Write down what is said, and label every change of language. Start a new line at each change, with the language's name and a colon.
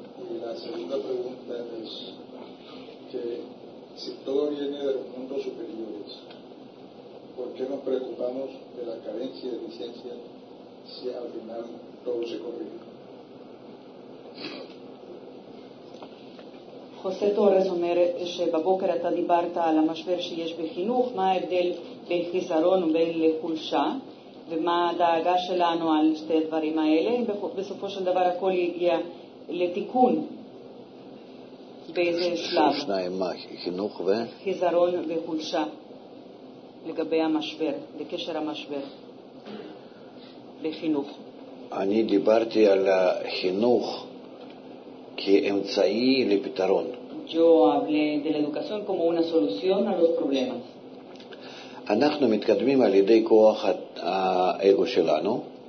Spanish: Y la segunda pregunta es que si todo viene de los mundos superiores, ¿por qué nos preocupamos de la carencia de licencia si al final todo se corrige?
Hebrew: José Torres אומר שבבוקר אתה דיברת על המשבר שיש בחינוך, מה ההבדל בין חיסרון ובין לחולשה, ומה הדאגה שלנו על שתי הדברים האלה, אם בסופו של דבר הכל יגיע לתיקון באיזה שלב. שניים, מה? חינוך ו? חיסרון וחולשה. לגבי המשבר, לקשר המשבר לחינוך. אני דיברתי על החינוך כאמצעי לפתרון.
Spanish: Yo hablé de la educación como una solución a los problemas.
Hebrew: אנחנו מתקדמים על ידי כוח האגו שלנו.